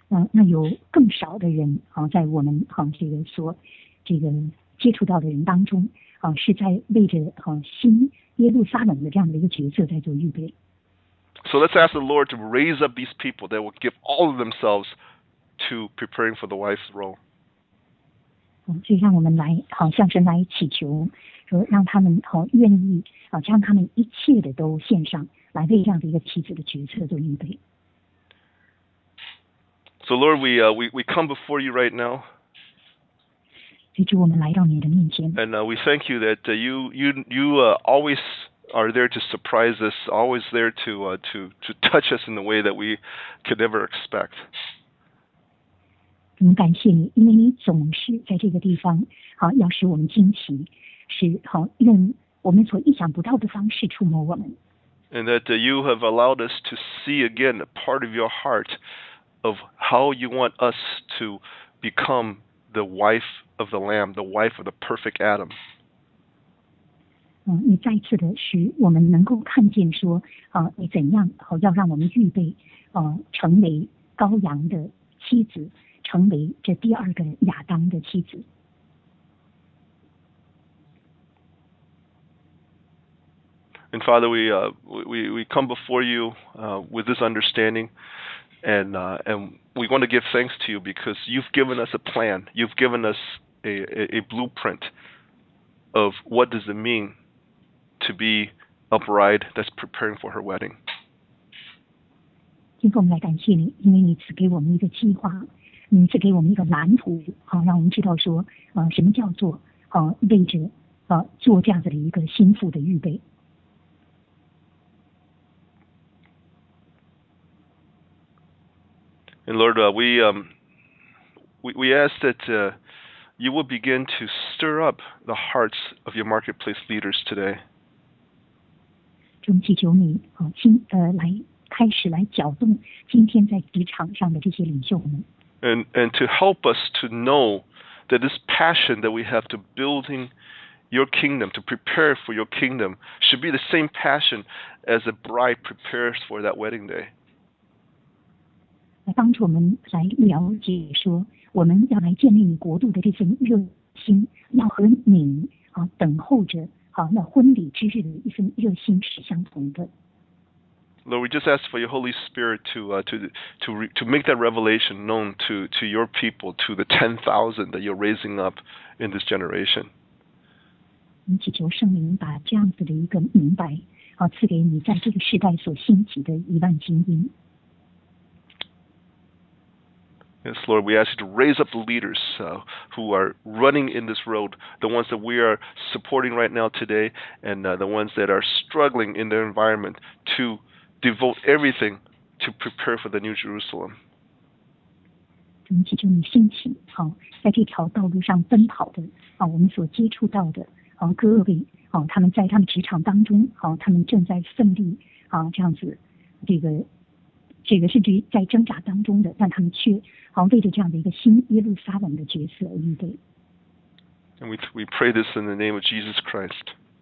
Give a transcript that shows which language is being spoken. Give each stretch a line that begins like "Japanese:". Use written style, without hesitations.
Chinese: 那有更少的人啊，在我们啊这个所这个接触到的人当中啊，是在为着啊新耶路撒冷的这样的一个角色在做预备。
English: So let's ask the Lord to raise up these people that will give all of themselves. To preparing for the wife's role.
Chinese: 所以让我们来好向神来祈求，说让他们好愿意好将他们一切的都献上，来为这样的一个妻子的决策做预备。
English: So Lord, we come before you right now.
Chinese: 所以主，我们来到你的面前。
English: And we thank you that you always are there to surprise us, always there to touch us in the way that we could never expect.
Chinese: 我们感谢你，因为你总是在这个地方，好要使我们惊奇，是好用我们所意想不到的方式触摸我们。
English: And that you have allowed us to see again a part of your heart of how you want us to become the wife of the Lamb, the wife of the perfect Adam.
Chinese: 你再次的使我们能够看见说，你怎样好要让我们预备，成为羔羊的妻子。成为这第二个亚当的妻子。
English: And Father, we come before you with this understanding, and we want to give thanks to you because you've given us a plan, you've given us a blueprint of what does it mean to be a bride that's preparing for her wedding.
Chinese: 今天我们来感谢你，因为你赐给我们一个计划。您赐给我们一个蓝图，好、让我们知道说，什么叫做为着做这样子的一个心腹的预备。
English: And Lord, we ask that you will begin to stir up the hearts of your marketplace leaders today.
Chinese: 主，祈求你来开始来搅动今天在职场上的这些领袖们。
English: And to help us to know that this passion that we have to building your kingdom, to prepare for your kingdom, should be the same passion as a bride prepares for that wedding day.
Chinese: 帮助我们来了解说我们要来建立你国度的这份热心要和你、等候着、那婚礼之日的一份热心是相同的
English: Lord we just ask for your Holy Spirit to make that revelation known to your people to the 10,000 that you're raising up in this generation
Chinese: 我们祈求圣灵把这样子的一个明白、赐给你在这个时代所兴起的一万精英
English: Yes, Lord, we ask you to raise up the leaders who are running in this road, the ones that we are supporting right now today, and the ones that are struggling in their environment to devote everything to prepare for the New Jerusalem.
Chinese: 我们祈求你兴起，在这条道路上奔跑的，我们所接触到的，各位，他们在他们职场当中，他们正在奋力，这样子，这个甚至于在挣扎当中的，但他们却为着这样的一个新耶路撒冷的角色预备。
English: And we pray this in the name of Jesus Christ.